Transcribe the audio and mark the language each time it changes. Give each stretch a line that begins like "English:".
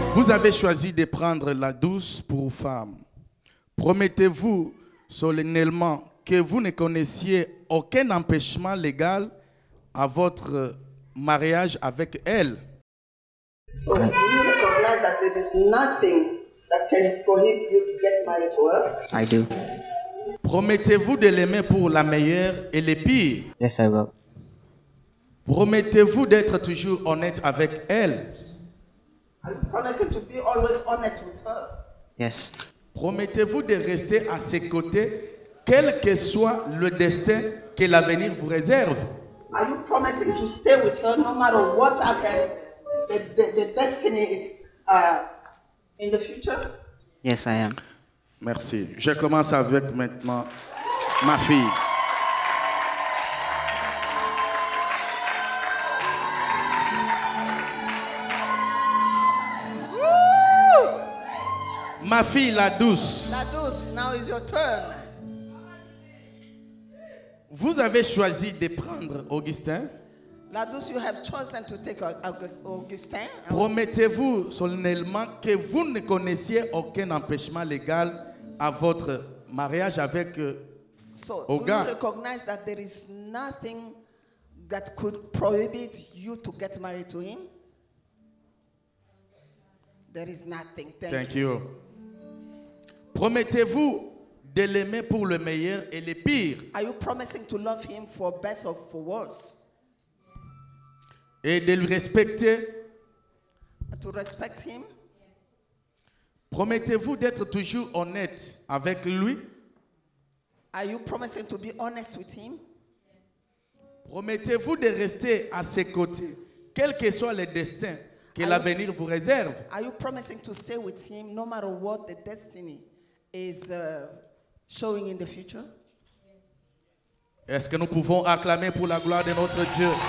French: Avez choisi de prendre la douce pour femme. Promettez-vous solennellement que vous ne connaissiez aucun empêchement légal à votre mariage avec elle.
English: So you recognize that there is nothing that can prohibit you to get married to her? I do.
French: Promettez-vous de l'aimer pour la meilleure et le pire?
English: Yes, I will.
French: Promettez-vous d'être toujours honnête avec elle?
English: I promise to be always honest with her. Yes.
French: Promettez-vous de rester à ses côtés, quel que soit le destin que l'avenir vous réserve?
English: Are you promising to stay with her no matter what the destiny is in the future? Yes, I am.
French: Merci. Je commence avec maintenant ma fille. Ma fille, Ladouce,
English: now is your turn.
French: Vous avez choisi de prendre Augustin.
English: Ladouce, you have chosen to take Augustin.
French: Promettez-vous solennellement que vous ne connaissiez aucun empêchement légal à votre mariage avec Oga.
English: So, do you recognize that there is nothing that could prohibit you to get married to him? There is nothing. Thank you.
French: Promettez-vous de l'aimer pour le meilleur et le pire?
English: Are you promising to love him for best or for worst?
French: Et de le respecter?
English: To respect him?
French: Promettez-vous d'être toujours honnête avec lui?
English: Are you promising to be honest with him?
French: Promettez-vous de rester à ses côtés, quel que soit le destin que l'avenir vous réserve.
English: Are you promising to stay with him no matter what the destiny is showing in the future?
French: Est-ce que nous pouvons acclamer pour la gloire de notre Dieu?